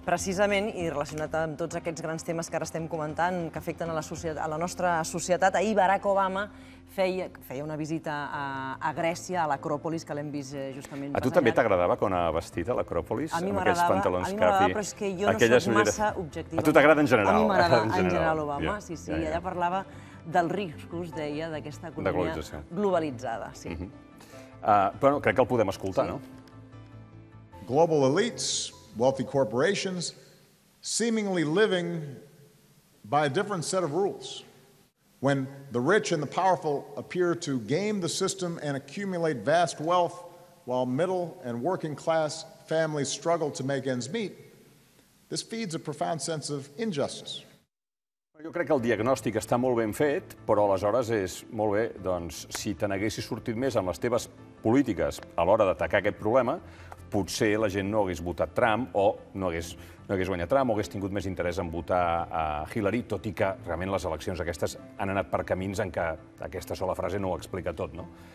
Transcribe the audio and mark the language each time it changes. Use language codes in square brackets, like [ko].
[ca] Precisament, i relacionat amb tots aquests grans temes que ara estem comentant, que afecten a la societat, a la nostra societat, ahir Barack Obama feia una visita a Grècia, a l'Acròpolis, que l'hem vist justament passejant. A tu també t'agradava quan anava vestit a l'Acròpolis? A mi m'agradava, però és que jo no soc massa objectiva. A tu t'agrada en general? A mi m'agrada en general Obama, sí. Allà parlava dels riscos, deia, d'aquesta economia globalitzada. Sí. Però crec que el podem escoltar, no? [en] Global elites, wealthy corporations, seemingly living by a different set of rules. When the rich and the powerful appear to game the system and accumulate vast wealth while middle and working class families struggle to make ends meet, this feeds a profound sense of injustice. [ca] Jo crec que el diagnòstic està molt ben fet, però aleshores és molt bé, doncs, si te n'haguessis sortit més amb les teves polítiques a l'hora d'atacar aquest problema, potser la gent no hagués votat Trump o no hagués guanyat Trump o hagués tingut més interès en votar a Hillary, tot i que realment les eleccions aquestes han anat per camins en què aquesta sola frase no ho explica tot, no?